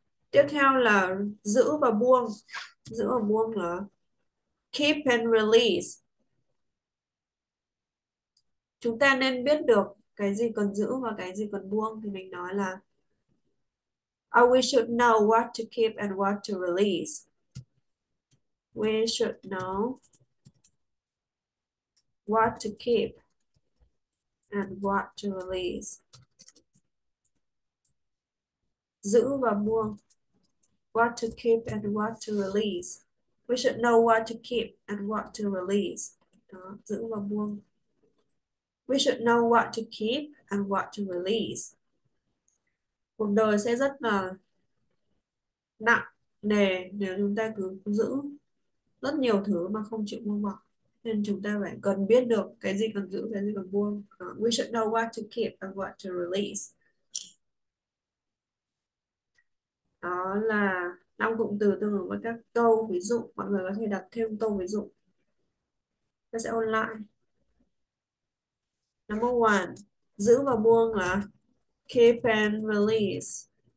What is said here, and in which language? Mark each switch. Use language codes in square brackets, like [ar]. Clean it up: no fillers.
[vi] Tiếp theo là giữ và buông. Giữ và buông là [en] keep and release. [vi] Chúng ta nên biết được cái gì cần giữ và cái gì cần buông thì mình nói là [en] we should know what to keep and what to release. We should know what to keep and what to release. [vi] Giữ và buông. [en] What to keep and what to release. We should know what to keep and what to release. [vi] Đó, giữ và buông. [en] We should know what to keep and what to release. [vi] Cuộc đời sẽ rất là nặng nề nếu chúng ta cứ giữ rất nhiều thứ mà không chịu buông bỏ. Nên chúng ta phải cần biết được cái gì cần giữ, cái gì cần buông. [en] We should know what to keep and what to release. [vi] Đó là năm cụm từ tương ứng với các câu ví dụ. Mọi người có thể đặt thêm câu ví dụ. Ta sẽ ôn lại. [en] Number one, [vi] giữ và buông là [en] keep and release.